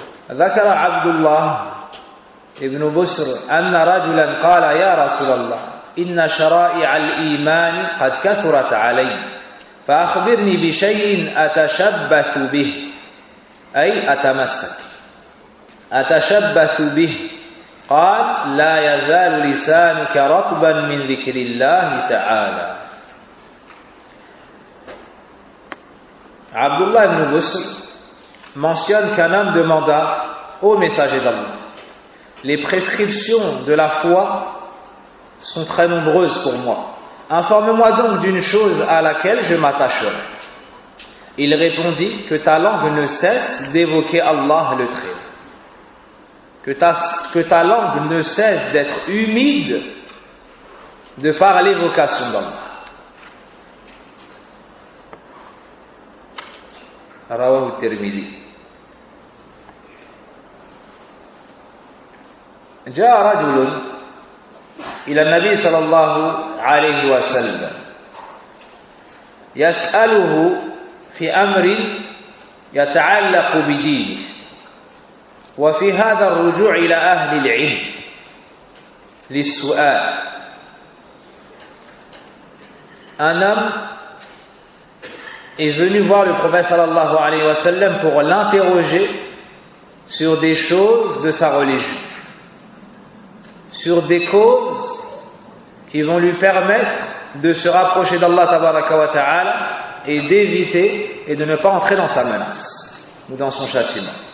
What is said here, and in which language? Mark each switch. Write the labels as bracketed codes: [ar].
[ar] ذكر عبد الله ابن بسر أن رجلا قال يا رسول الله إن شرائع الإيمان قد كثرت علي فأخبرني بشيء أتشبث به أي أتمسك أتشبث به قال لا يزال لسانك رطبا من ذكر الله تعالى. [fr] Abdullah ibn Busr mentionne qu'un homme demanda au messager d'Allah: les prescriptions de la foi sont très nombreuses pour moi, informe-moi donc d'une chose à laquelle je m'attacherai. Il répondit: que ta langue ne cesse d'évoquer Allah le Très-Haut. Que ta langue ne cesse d'être humide de par l'évocation d'Allah. [ar] Rawahu Tirmidhi. Jaa rajulun ila an-nabi sallallahu alayhi wa sallam yas'aluhu fi amrin yata'allaqu bi dinihi. وفي هذا الرجوع إلى أهل العلم للسؤال. [fr] Un homme est venu voir le prophète sallallahu alayhi wa sallam pour l'interroger sur des choses de sa religion, sur des causes qui vont lui permettre de se rapprocher d'Allah tabaraka wa ta'ala et d'éviter et de ne pas entrer dans sa menace ou dans son châtiment.